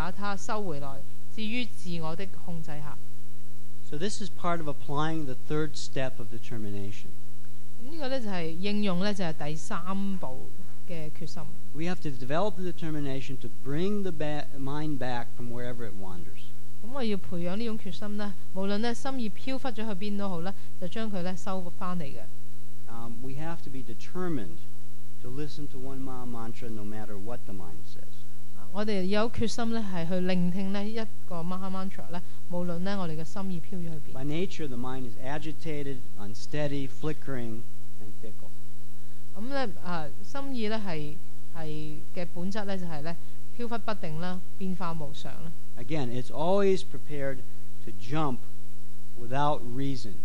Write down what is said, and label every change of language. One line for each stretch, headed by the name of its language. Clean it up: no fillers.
Chinese: 在《博伽梵歌》第六章二十六节，心意因它飘忽不定、变化无常的本性而不易集中，无论它飘到哪里，都必须把它收回来，置于自我的控制下。
English: So this is part of applying the third step of determination.
Chinese: 这个就是应用第三步的决心。
English: We have to develop the determination to bring the mind back from wherever it wanders.
Chinese: 我要培养这种决心，无论心意飘忽去哪里也好，就将它收回来。
English: We have to be determined to listen to one ma mantra no matter what the mind says.
Chinese: 我们有决心去聆听一个ma mantra，无论我们的心意飘忽去哪里。
English: By nature, the mind is agitated, unsteady, flickering, and fickle.
Chinese: 心意的本质就是飘忽不定，变化无常。
English: Again, it's always prepared to jump without reason.